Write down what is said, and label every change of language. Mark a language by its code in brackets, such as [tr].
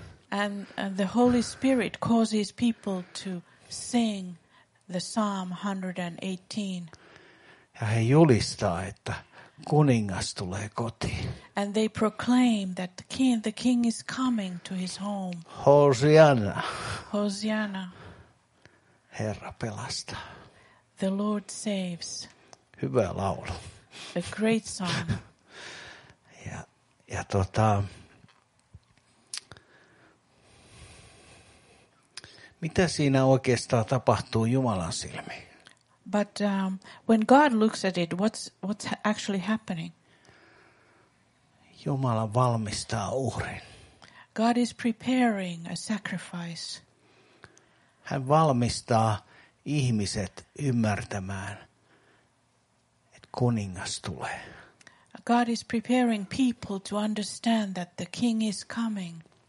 [en] And the Holy Spirit causes people to sing the Psalm 118. [fi] Ja he julistaa, että kuningas tulee kotiin. [en] And they proclaim that the king is coming to his home. [fi] Hosianna. [en] Hosianna. [fi] Herra pelastaa. [en] The Lord saves. [fi] Hyvä laulu. [en] A great song. [fi] Ja tota, mitä siinä oikeastaan tapahtuu Jumalan silmiin? [en] But when God looks at it, what's actually happening? [fi] Jumala valmistaa uhrin. [en] God is preparing a sacrifice. [fi] Hän valmistaa ihmiset ymmärtämään, että kuningas tulee. [en] God is preparing people to understand that the king is coming.